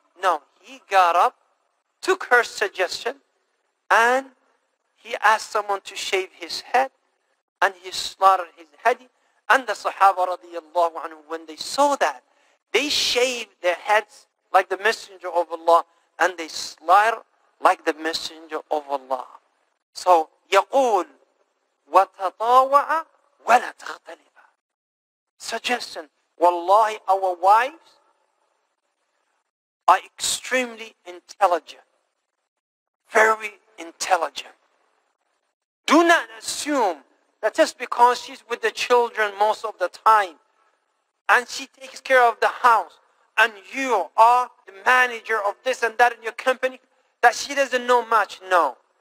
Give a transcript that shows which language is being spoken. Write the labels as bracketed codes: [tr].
[en] No, he got up, took her suggestion, and he asked someone to shave his head, and he slaughtered his head. And the Sahaba radiallahu anhu, when they saw that, they shaved their heads like the Messenger of Allah, and they slaughtered like the Messenger of Allah. [ar] So, يقول وتطاوع ولا تختلف. [en] Suggestion. Wallahi, our wives are extremely intelligent. Very intelligent. Do not assume that just because she's with the children most of the time and she takes care of the house and you are the manager of this and that in your company, that she doesn't know much. No.